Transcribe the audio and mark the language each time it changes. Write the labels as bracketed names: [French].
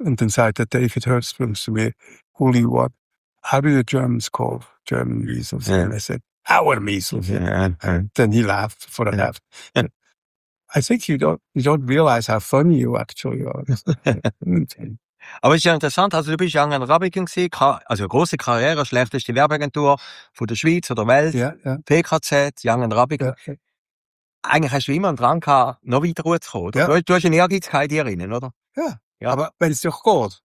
[German] Und dann sagt er, David Hertzberg zu mir, [English] who do you want? How do the Germans call German Measles? Yeah. And I said, our Measles. Yeah. And then he laughed for a laugh. I think you don't realize how funny you actually are. [German] Aber es ist ja interessant, also du bist ja in Rabigen gewesen, also eine grosse Karriere, schlechteste Werbeagentur von der Schweiz oder Welt, PKZ, Young & Rabigen. Ja. Eigentlich hast du immer einen Drang gehabt, noch weiter rauszukommen, oder? Ja. Du hast eine Ehrgeizigkeit hier drin, oder? Ja. Aber wenn es doch geht.